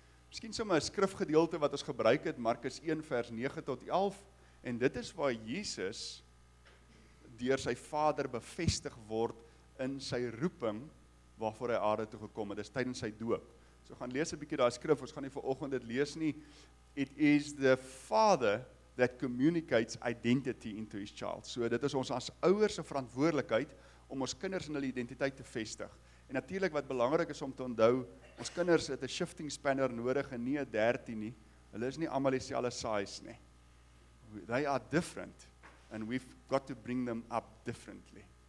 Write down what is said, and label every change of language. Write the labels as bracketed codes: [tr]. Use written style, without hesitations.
[af] Miskien sommer 'n skrifgedeelte wat ons gebruik het, Markus 1 vers 9 tot 11, en dit is waar Jesus deur sy Vader bevestig word in sy roeping waarvoor hy aarde toe gekom het. Dis tydens sy doop. So gaan lees 'n bietjie daai skrif. Ons gaan nie vanoggend dit lees nie. [en] It is the Father that communicates identity into his child. [af] So dit is ons as ouers se verantwoordelikheid om ons kinders in hulle identiteit te vestig. En natuurlik wat belangrik is om te onthou, ons kinders het 'n shifting spanner nodig en nie 'n 13 nie. Hulle is nie almal dieselfde size nie. [en] They are different and we've got to bring them up differently.